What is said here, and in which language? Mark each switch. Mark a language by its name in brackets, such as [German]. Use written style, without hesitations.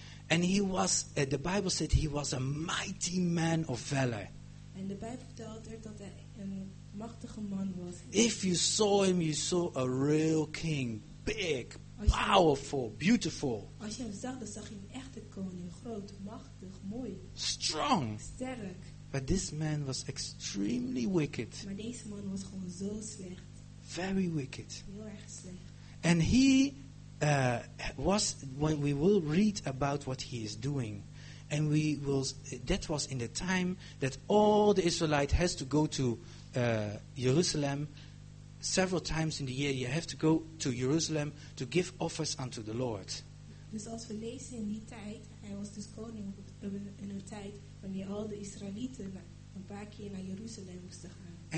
[English] And he was, the Bible said he was a mighty man of valor. [Dutch] En de Bijbel vertelt er dat hij een machtige man was. [English] If you saw him, you saw a real king. Big, powerful, beautiful. [Dutch] Als je hem zag, dan zag je een echte koning. Groot, machtig, mooi. [English] Strong. [Dutch] Sterk. [English] But this man was extremely wicked. [Dutch] Maar deze man was gewoon zo slecht. [English] Very wicked. [Dutch] Heel erg slecht. [English] And he was, when we will read about what he is doing, and we will, that was in the time that all the Israelite has to go to Jerusalem several times in the year. You have to go to Jerusalem to give offers unto the Lord. [Dutch] Dus als we lezen in die tijd, hij was dus koning in een tijd wanneer al de Israëlieten een paar keer naar Jeruzalem moesten gaan.